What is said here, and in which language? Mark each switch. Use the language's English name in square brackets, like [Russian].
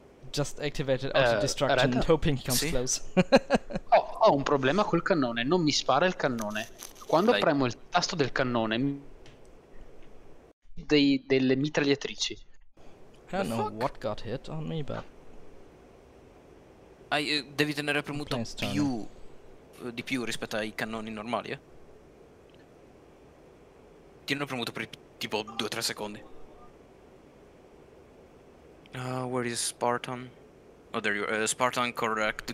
[English] Just activated auto-destruction and hoping he comes [Italian] sì? [English] Close. [Italian] Ho un problema col cannone, non mi spara il cannone. Quando dai. Premo il tasto del cannone, delle mitragliatrici. [English] I don't know what got hit on me, but... [Italian] devi tenere premuto più di più rispetto ai cannoni normali, eh? Ti hanno premuto per tipo 2-3 secondi. [English] Where is Spartan? Oh, there you are. Spartan, correct.